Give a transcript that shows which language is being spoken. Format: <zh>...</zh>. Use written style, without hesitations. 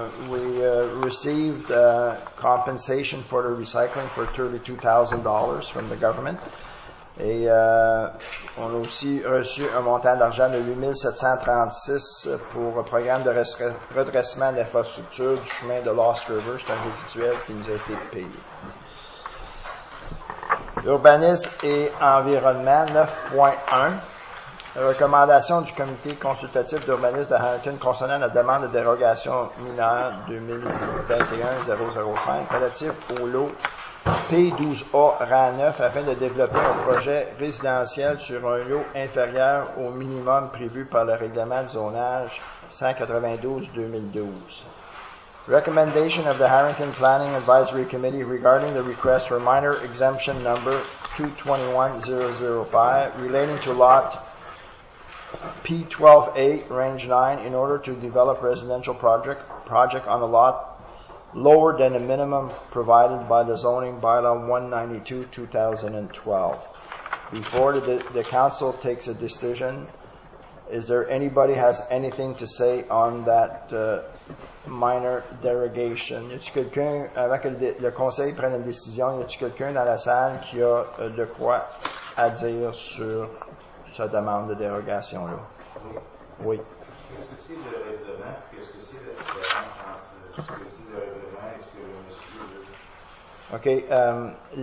<en>We received compensation for the recycling for $32,000 from the government.</en> <fr>Et on a aussi reçu un montant d'argent de 8736 pour un programme de redressement de l'infrastructure du chemin de Lost River. C'est un résiduel qui nous a été payé. Urbanisme et environnement, 9.1. Recommandation du comité consultatif d'urbanisme de Hamilton concernant la demande de dérogation mineure 2021-005 relative au lot P12A rang 9 afin de développer un projet résidentiel sur un lot inférieur au minimum prévu par le règlement de zonage 192-2012.</fr> <en>Recommendation of the Harrington Planning Advisory Committee regarding the request for minor exemption number 221-005 relating to lot P12A, range 9, in order to develop residential project on a lot lower than the minimum provided by the zoning bylaw 192-2012. Before the council takes a decision, is there anybody has anything to say on that minor derogation?</en> <fr>Y a-t-il quelqu'un, avant que le conseil prenne une décision, y a-t-il quelqu'un dans la salle qui a de quoi à dire sur sa demande de dérogation là? Oui. Qu'est-ce que c'est le règlement? Qu'est-ce que c'est la différence entre ce que c'est le règlement et ce que le monsieur</fr>